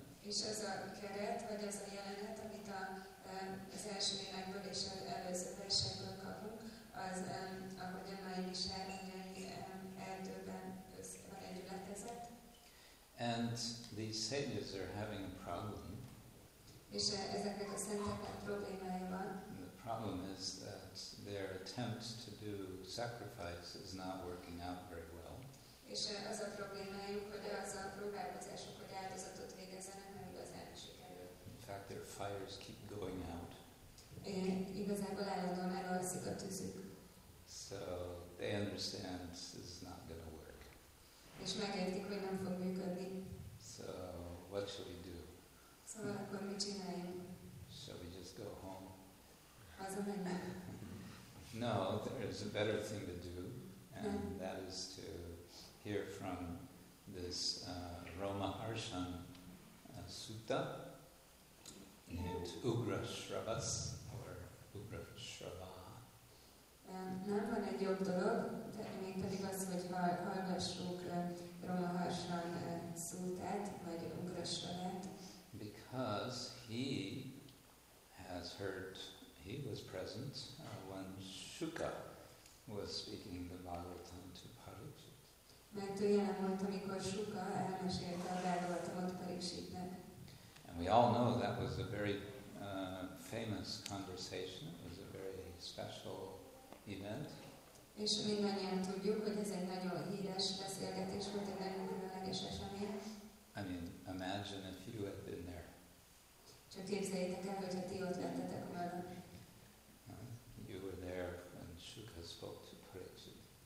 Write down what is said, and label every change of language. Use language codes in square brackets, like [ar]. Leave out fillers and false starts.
[hu] És az a keret, vagy az a jelenet, amit az első énekből és az előző versekből kapunk, az, ahogy a Naimisharanyai erdőben van együletezett. [en] And these sages are having a problem. [hu] És ezeknek a szenteknek problémája van. [en] And the problem is that their attempt to do sacrifice is not working out very well. [hu] És az a problémájuk, hogy az a próbálkozások, hogy áldozatot végezzenek, nem igazán sikerül. [en] In fact, their fires keep going out. [hu] Igazából állandóan elalszik a tűzük. [en] So they understand this is not going to work. [hu] És megértik, hogy nem fog működni. [en] So what should we do? [hu] Szóval akkor mit csináljunk? [en] Shall we just go home? [hu] Hazamennem. [en] No, there is a better thing to do, and that is to hear from this Roma Harshan Sutta named Ugra Shravas or Ugra Shrava. [hu] Nem van egy jobb dolog, de még pedig az, hogy hallgassuk Roma Harshan Sutát, vagy Ugra Shravát. [en] Because he has heard, he was present when Shuka was speaking the Bhagavatam to Parikshit. [hu] Mert ő jelen volt, amikor Shuka elmesélte a Bhagavatamot Parikshitnek. [en] And we all know that was a very famous conversation. It was a very special event. [hu] És mindannyian tudjuk, hogy ez egy nagyon híres beszélgetés volt, egy nagyon különleges esemény. [en] I mean, imagine if you had been there. [hu] Csak képzeljétek el, hogyha ti ott lettetek volna. [en] You were there when Shuka spoke to Parikshit.